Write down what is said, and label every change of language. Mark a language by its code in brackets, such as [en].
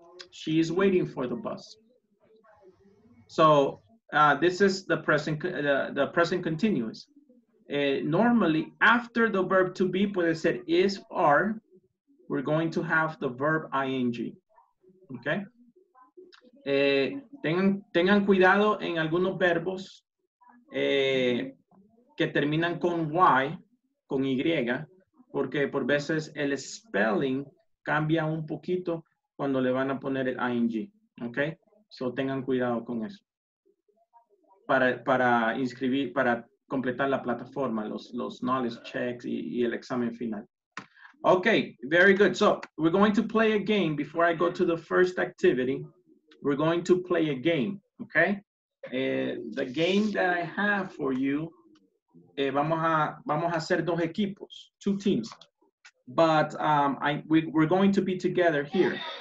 [en] She is waiting for the bus. So this is the present continuous. Normally, after the verb to be, [es] puede ser [en] is or, we're going to have the verb ing. Okay? [es] Tengan cuidado en algunos verbos que terminan con y, con y, porque por veces el spelling cambia un poquito cuando le van a poner el ing, okay? So tengan cuidado con eso. Para inscribir, para completar la plataforma, los knowledge checks y el examen final. [en] Okay, very good. So we're going to play a game before I go to the first activity. We're going to play a game, okay? The game that I have for you, [es] vamos a hacer dos equipos, [en] two teams, but we're going to be together here.